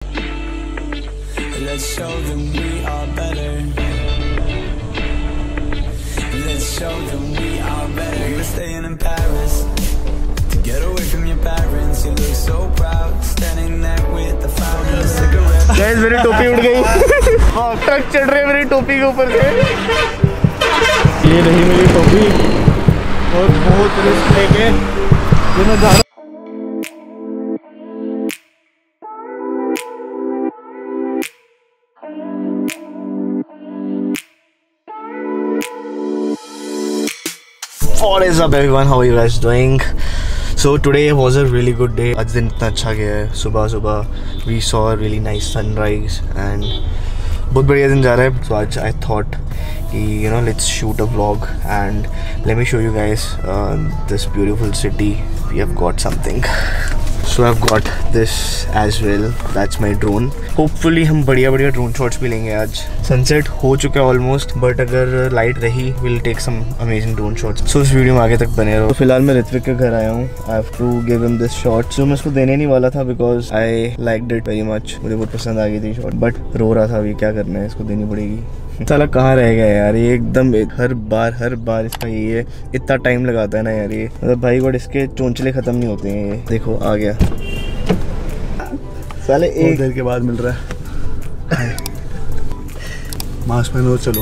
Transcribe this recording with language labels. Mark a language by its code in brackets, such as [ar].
[en] Let's show them we are better. Let's show them we are better. We're staying in Paris to get away from your parents. You look so proud standing there with the fountain of cigarettes. [hi] Guys, मेरी टोपी उड़ गई. हाँ, truck चढ़ रहे हैं मेरी टोपी के ऊपर से. ये रही मेरी टोपी. और बहुत रिस्क लेके जिन्होंने [en] What is up everyone, how are you guys doing? So today was a really good day. [hi] Aaj din itna acha gaya hai. Subah subah [en] we saw a really nice sunrise [hi] and bahut badhiya din ja raha hai. [en] So aaj I thought ki, you know, let's shoot a vlog and let me show you guys this beautiful city. We have got something. So I've got this as well. That's my drone. [hi] Hopefully हम बढ़िया बढ़िया drone shots भी लेंगे आज. [en] Sunset [hi] हो चुका है [en] almost, but अगर light रही we'll take some amazing drone shots. [hi] So इस video में आगे तक बने रहो. तो फिलहाल मैं ऋत्विक के घर आया हूँ. [en] I have to give him this shot. So [hi] मैं इसको देने नहीं वाला था [en] because I liked it very much. [hi] मुझे बहुत पसंद आ गई थी shot. But रो रहा था अभी क्या करना है, इसको देनी पड़ेगी. साला कहाँ रह गया यार ये, एकदम हर बार इसका ये इतना टाइम लगाता है ना यार ये, मतलब भाई गॉड इसके चोंचले खत्म नहीं होते हैं ये. देखो आ गया साले, एक देर के बाद मिल रहा है. मास्क पहनो, चलो